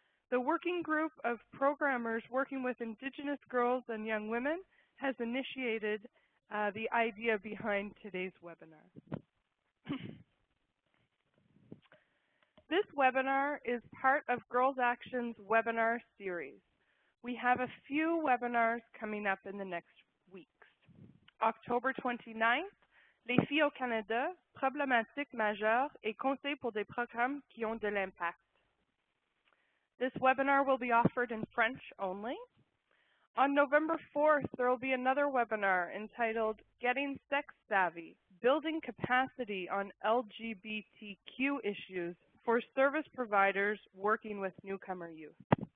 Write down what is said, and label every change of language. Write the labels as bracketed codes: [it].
[en] The working group of programmers working with Indigenous girls and young women has initiated the idea behind today's webinar. This webinar is part of Girls Action's webinar series. We have a few webinars coming up in the next weeks. [fr] October 29th, Les filles au Canada, problématiques majeures et conseils pour des programmes qui ont de l'impact. [en] This webinar will be offered in French only. On November 4th, there will be another webinar entitled Getting Sex Savvy, Building Capacity on LGBTQ Issues for Service Providers Working with Newcomer Youth.